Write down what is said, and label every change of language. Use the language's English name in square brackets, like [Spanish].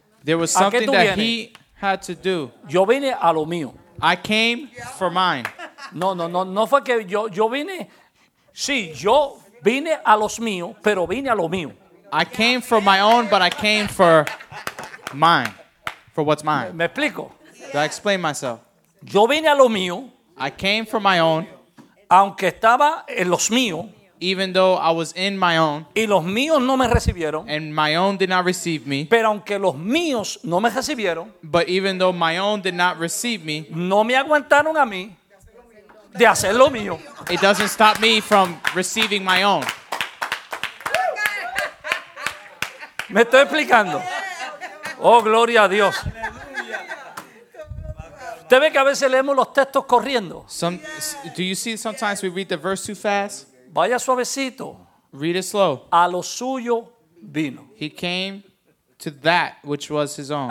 [English] There was something that he had to do. [Spanish] Yo vine a lo mío. [English] I came for mine. [Spanish] No, no, no, no fue que yo vine. Sí, yo vine a los míos, pero vine a lo mío. [English] I came for my own, but I came for mine, for what's mine. [Spanish] ¿Me explico? [English] Do I explain myself? [Spanish] Yo vine a lo mío. [English] I came for my own. [Spanish] Aunque estaba en los míos. [English] Even though I was in my own. [Spanish] Y los míos no me recibieron. [English] And my own did not receive me. [Spanish] Pero aunque los míos no me recibieron. [English] But even though my own did not receive me. [Spanish] No me aguantaron a mí de hacer lo mío. [English] It doesn't stop me from receiving my own. [Spanish] Me estoy explicando. Oh, gloria a Dios. ¿Usted ve que a veces leemos los textos corriendo? [English] Do you see sometimes we read the verse too fast? [Spanish] Vaya suavecito. [English] Read it slow. [Spanish] A lo suyo vino. [English] He came to that which was his own.